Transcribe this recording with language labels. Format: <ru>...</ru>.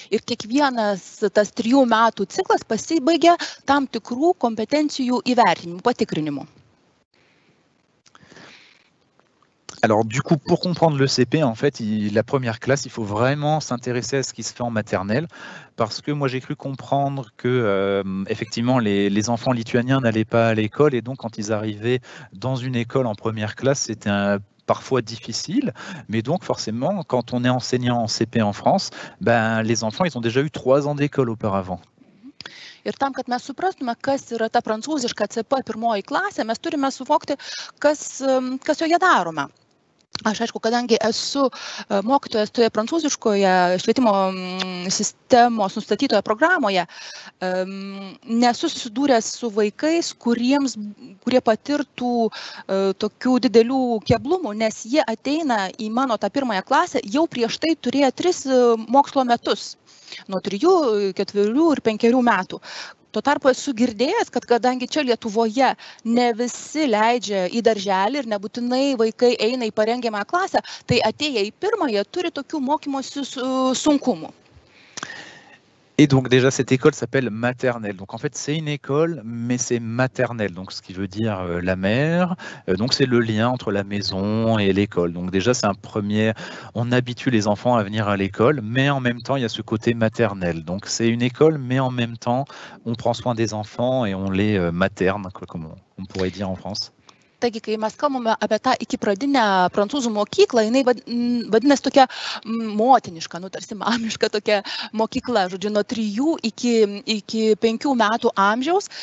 <lt>Ir kiekvienas tas 3 metų ciklas pasibaigia tam tikrų kompetencijų įvertinimų, patikrinimų.</lt> <fr>Alors du coup, pour comprendre le CP, en fait, la première classe, il faut vraiment s'intéresser à ce qui se fait en maternelle, parce que moi j'ai cru comprendre que, effectivement, les enfants lituaniens n'allaient pas à l'école, et donc quand ils arrivaient dans une école en première classe, c'était parfois difficile, mais donc forcément, quand on est enseignant en CP en France, ben, les enfants, ils ont déjà eu 3 ans d'école auparavant.</fr> <lt>Ir tam, kad mes suprastume, kas yra ta prancūziška CP pirmoji klasė, mes turime suvokti, kas joje darome. Aš, aišku, kadangi esu mokytojas toje prancūziškoje švietimo sistemos nustatytoje programoje, nesu susidūręs su vaikais, kurie patirtų tokių didelių keblumų, nes jie ateina į mano tą pirmąją klasę, jau prieš tai turėjo 3 mokslo metus. Nuo 3, 4 ir 5 metų. Tuo tarpu esu girdėjęs, kad kadangi čia Lietuvoje ne visi leidžia į darželį ir nebūtinai vaikai eina į parengiamą klasę, tai atėję į pirmąją turi tokių mokymosi sunkumų.</lt> <fr>Et donc déjà, cette école s'appelle maternelle. Donc en fait, c'est une école, mais c'est maternelle, donc ce qui veut dire la mère. Donc c'est le lien entre la maison et l'école. Donc déjà, c'est un premier... On habitue les enfants à venir à l'école, mais en même temps, il y a ce côté maternel. Donc c'est une école, mais en même temps, on prend soin des enfants et on les materne, quoi, comme on pourrait dire en France.</fr> <lt>Taigi, kai mes kalbame apie tą iki pradinę prancūzų mokyklą, jinai vadinasi tokia motiniška, nu tarsi mamiška tokia mokykla, žodžiu, nuo 3 iki 5 metų amžiaus.</lt>